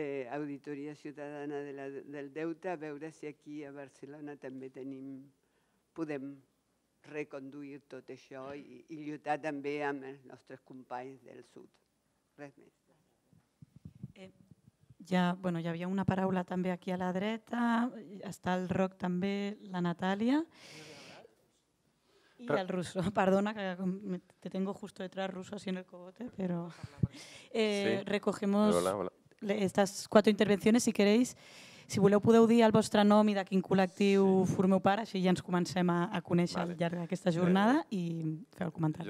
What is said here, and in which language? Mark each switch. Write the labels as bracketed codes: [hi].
[ca] Auditoria Ciutadana del Deute, a veure si aquí a Barcelona també tenim, podem reconduir tot això i lluitar també amb els nostres companys del sud. Res més. Bueno, hi havia una paraula també aquí a la dreta, està el Roc també, la Natàlia. [es] Y al ruso, perdona que te tengo justo detrás, ruso, así en el cogote, pero sí. Recogemos... Hola, hola. [ca] Estas quatre intervencions, [es] si queréis, [ca] si voleu podeu dir el vostre nom i de quin col·lectiu formeu part, així ja ens comencem a conèixer al llarg d'aquesta jornada i feu el comentari.